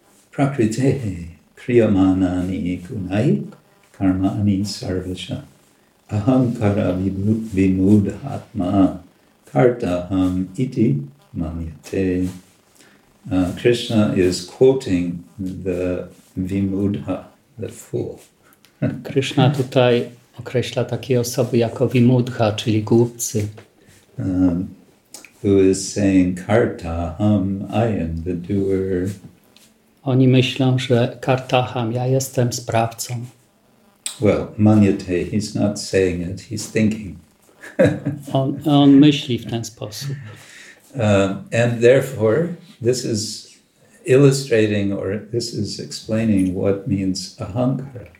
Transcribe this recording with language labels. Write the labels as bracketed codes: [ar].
[sa] Prakritehe kriyamanani gunai karmani sarvasya ahankara vimudhatma kartaham iti manyate. [en] Krishna is quoting the Vimudha, the fool. [pl] Krishna tutaj określa takie osoby jako Vimudha, czyli głupcy. [en] Who is saying, Kartaham, I am the doer. [pl] Oni myślą, że Kartaham, ja jestem sprawcą. [en] Well, Manyate, he's not saying it, he's thinking. [pl] on myśli w ten sposób. [en] And therefore, this is illustrating, or this is explaining what means ahankara.